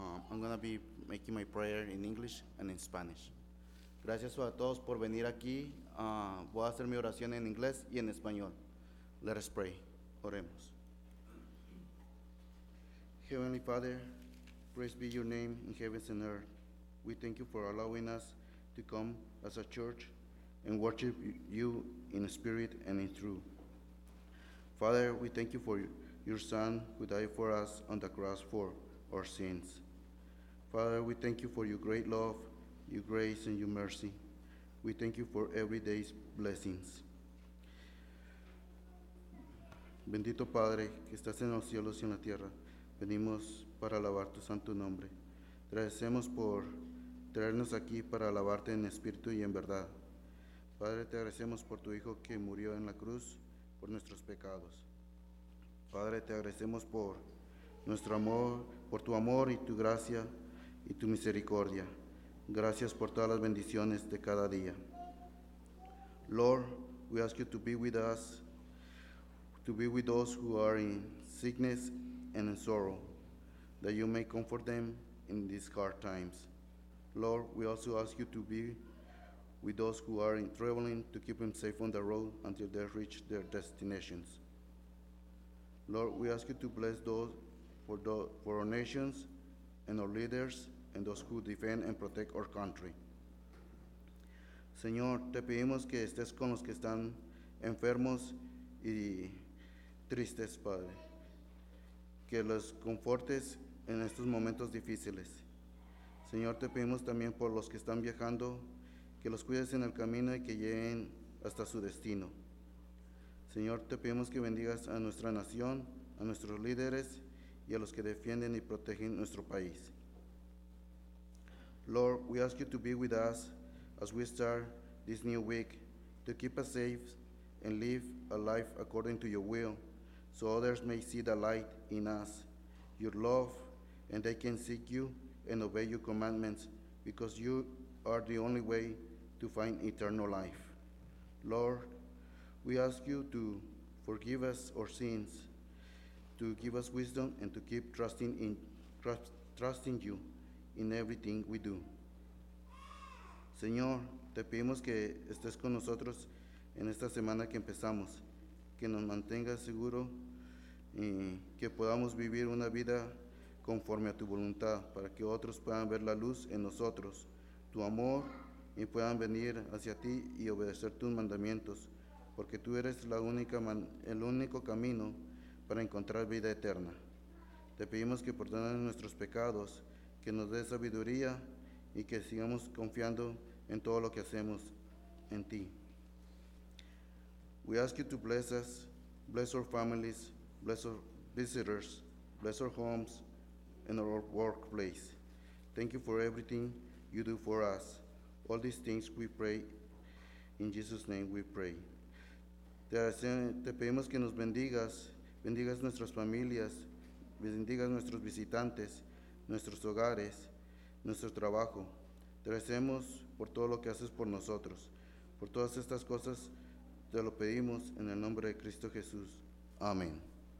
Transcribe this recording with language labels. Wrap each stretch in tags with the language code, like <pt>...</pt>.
<en>I'm going to be making my prayer in English and in Spanish.</en> <es>Gracias a todos por venir aquí. Voy a hacer mi oración en inglés y en español. Let us pray. Oremos.</es> <en>Heavenly Father, praise be your name in heavens and earth. We thank you for allowing us to come as a church and worship you in spirit and in truth. Father, we thank you for your Son who died for us on the cross for our sins. Father, we thank you for your great love, your grace, and your mercy. We thank you for every day's blessings.</en> <es>Bendito Padre, que estás en los cielos y en la tierra, venimos para alabar tu santo nombre. Te agradecemos por traernos aquí para alabarte en espíritu y en verdad. Padre, te agradecemos por tu Hijo que murió en la cruz por nuestros pecados. Padre, te agradecemos por nuestro amor, por tu amor y tu gracia y tu misericordia. Gracias por todas las bendiciones de cada día.</es> <en>Lord, we ask you to be with us, to be with those who are in sickness and in sorrow, that you may comfort them in these hard times. Lord, we also ask you to be with those who are in traveling to keep them safe on the road until they reach their destinations. Lord, we ask you to bless those for our nations and our leaders and those who defend and protect our country.</en> <es>Señor, te pedimos que estés con los que están enfermos y tristes, Padre. Que los confortes en estos momentos difíciles. Señor, te pedimos también por los que están viajando, que los cuides en el camino y que lleguen hasta su destino. Señor, te pedimos que bendigas a nuestra nación, a nuestros líderes y a los que defienden y protegen nuestro país.</es> <en>Lord, we ask you to be with us as we start this new week to keep us safe and live a life according to your will, so others may see the light in us, your love, and they can seek you and obey your commandments because you are the only way to find eternal life. Lord, we ask you to forgive us our sins, to give us wisdom, and to keep trusting you in everything we do.</en> <es>Señor, te pedimos que estés con nosotros en esta semana que empezamos, que nos mantengas seguro y que podamos vivir una vida conforme a tu voluntad, para que otros puedan ver la luz en nosotros, tu amor, y puedan venir hacia ti y obedecer tus mandamientos, porque tú eres el único camino para encontrar vida eterna. Te pedimos que perdones nuestros pecados, que nos dé sabiduría y que sigamos confiando en todo lo que hacemos en ti.</es> <en>We ask you to bless us, bless our families, bless our visitors, bless our homes, and our workplace. Thank you for everything you do for us. All these things we pray, in Jesus' name we pray.</en> <es>Te pedimos que nos bendigas, bendigas nuestras familias, bendigas nuestros visitantes, nuestros hogares, nuestro trabajo. Te agradecemos por todo lo que haces por nosotros. Por todas estas cosas te lo pedimos en el nombre de Cristo Jesús. Amén.</es>